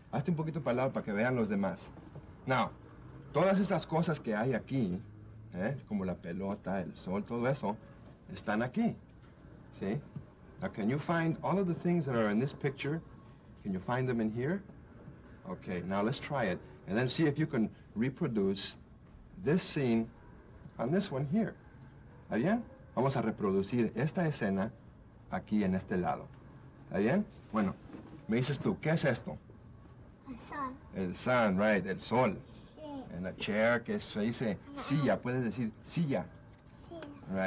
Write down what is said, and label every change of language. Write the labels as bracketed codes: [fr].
[es] Hazte un poquito para el lado para que vean los demás. Now, todas esas cosas que hay aquí, como la pelota, el sol, todo eso, están aquí. ¿Sí? [en] Now, can you find all of the things that are in this picture? Can you find them in here? Okay, now let's try it. And then see if you can reproduce this scene on this one here. [es] ¿Está bien? Vamos a reproducir esta escena aquí en este lado. ¿Está bien? Bueno, me dices tú, ¿qué es esto? El sol. El sun, right, el sol. Sí. [en] And a chair, [es] que se dice silla, puedes decir silla. Silla.